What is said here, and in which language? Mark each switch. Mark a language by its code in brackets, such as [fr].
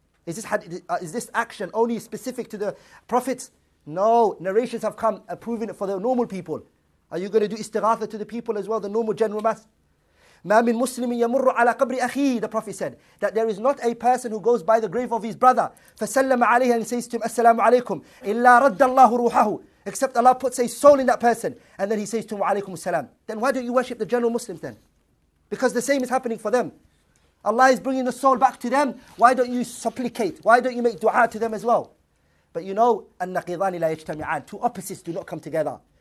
[en] Is this action only specific to the prophets? No, narrations have come approving it for the normal people. Are you going to do istighatha to the people as well, the normal general mass? [ar] مَا مِن مُسْلِمٍ يَمُرُّ عَلَى قَبْرِ أَخِيهِ. [en] The Prophet said that there is not a person who goes by the grave of his brother. [ar] فَسَلَّمَ عَلَيْهِ [en] and says to him, [ar] أَسَّلَامُ عَلَيْكُمْ إِلَّا رَدَّ اللَّهُ رُوحَهُ. [en] Except Allah puts a soul in that person. And then he says to him, [ar] وَعَلَيْكُمُ السَّلَامُ. [en] Then why don't you worship the general Muslims then? Because the same is happening for them. Allah is bringing the soul back to them. Why don't you supplicate? Why don't you make dua to them as well? But you know, [ar] النَّقِضَانِ لَا يَجْتَمِعَانِ. [en] Two opposites do not come together.